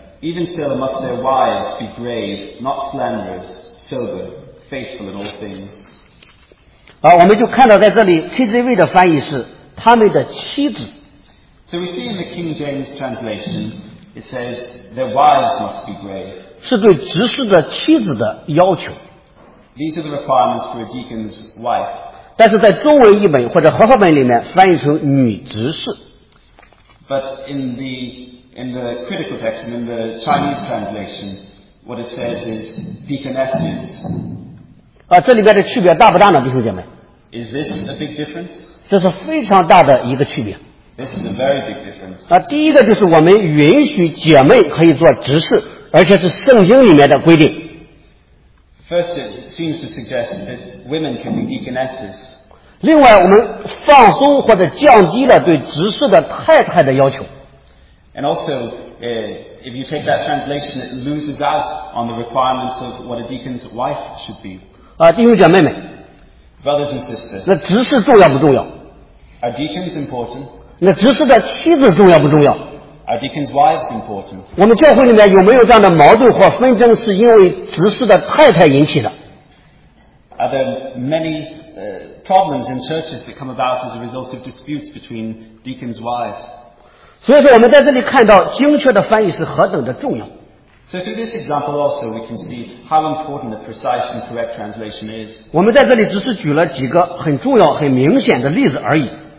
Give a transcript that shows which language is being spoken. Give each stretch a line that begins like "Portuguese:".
English: Even still must their wives be grave, not slanderers, sober, faithful in all things.
Chinese: 我们就看到在这里 KJV 的翻译是他们的妻子。
English: So we see in the King James translation,It says their wives must be grave.
Chinese: 是对执事的妻子的要求。
English: These are the requirements for a deacon's wife.
Chinese: 但是在中文译本或者和合本里面翻译成女执事。
English: But in the critical text, in the Chinese translation, what it says is deaconesses.
Chinese: 这里边的区别大不大呢，弟兄姐妹？
English: Is this a big difference?
Chinese: 这是非常大的一个区别。
English: This is a very big difference.
Chinese: 第一个就是我们允许姐妹可以做执事，而且是圣经里面的规定。
English: First, it seems to suggest that women can be deaconesses.
Chinese: 另外，我们放松或者降低了对执事的太太的要求。
English: And also, if you take that translation, it loses out on the requirements of what a deacon's wife should be.
Chinese: 弟兄姐妹们
English: ，Brothers and sisters,
Chinese: 那执事重要不重要
English: ？Are deacons important?
Chinese: 那执事的妻子重要不重要？
English: Are deacon's wives important?
Chinese: 我们教会里面有没有这样的矛盾或纷争是因为执事的太太引起的？
English: Are there many problems in churches that come about as a result of disputes between deacons' wives.
Chinese: 所以说我们在这里看到精确的翻译是何等的重要。
English: So through this example also, we can see how important the precise and correct translation is.
Chinese: 我们在这里只是举了几个很重要、很明显的例子而已。